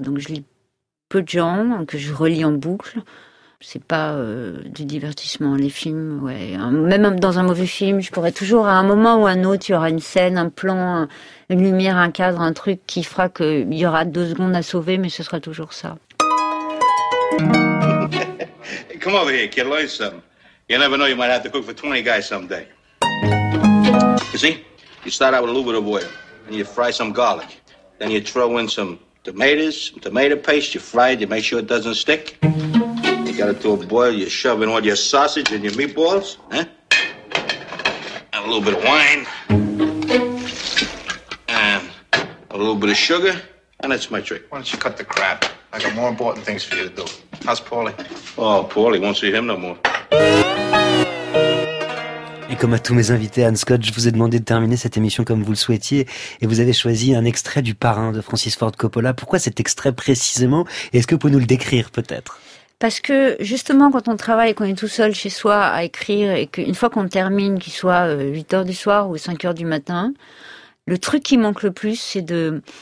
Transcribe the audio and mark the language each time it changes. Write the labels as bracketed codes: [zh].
[fr] Donc je lis peu de gens, que je relis en boucle. C'est pas du divertissement, les films, ouais. Même dans un mauvais film, je pourrais toujours, à un moment ou à un autre, il y aura une scène, un plan, une lumière, un cadre, un truc qui fera qu'il y aura 2 secondes à sauver, mais ce sera toujours ça. [en] Come over here, kid, learn something. You never know, you might have to cook for 20 guys someday. You see, you start out with a little bit of oil, and you fry some garlic. Then you throw in some tomatoes, some tomato paste, you fry it, you make sure it doesn't stick. Got it to a boil, you shove in all your sausage and your meatballs, huh? And a little bit of wine. And a little bit of sugar. And that's my trick. Why don't you cut the crap? I got more important things for you to do. How's Paulie? Oh, Paulie won't see him no more. [fr] Et comme à tous mes invités, Anne Scott, je vous ai demandé de terminer cette émission comme vous le souhaitiez et vous avez choisi un extrait du Parrain de Francis Ford Coppola. Pourquoi cet extrait précisément? Est-ce que vous pouvez nous le décrire peut-être? Parce que justement, quand on travaille, qu'on est tout seul chez soi à écrire et qu'une fois qu'on termine, qu'il soit 8h du soir ou 5h du matin, le truc qui manque le plus, c'est de